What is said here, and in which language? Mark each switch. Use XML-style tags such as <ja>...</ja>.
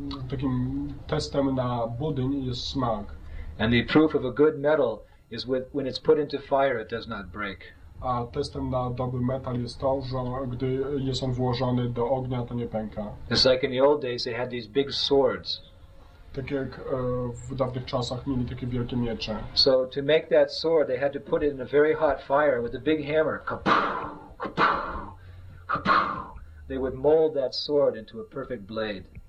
<pl>Takim testem na budyń jest smak.</pl> <en>And the proof of a good metal is when it's put into fire, it does not break.</en> <pl>A testem na dobry metal jest to, że gdy jest on włożony do ognia, to nie pęka.</pl> <en>It's like in the old days, they had these big swords.</en> <pl>Tak jak w dawnych czasach mieli takie wielkie miecze.</pl> <en>So to make that sword, they had to put it in a very hot fire with a big hammer. They would mold that sword into a perfect blade.</en>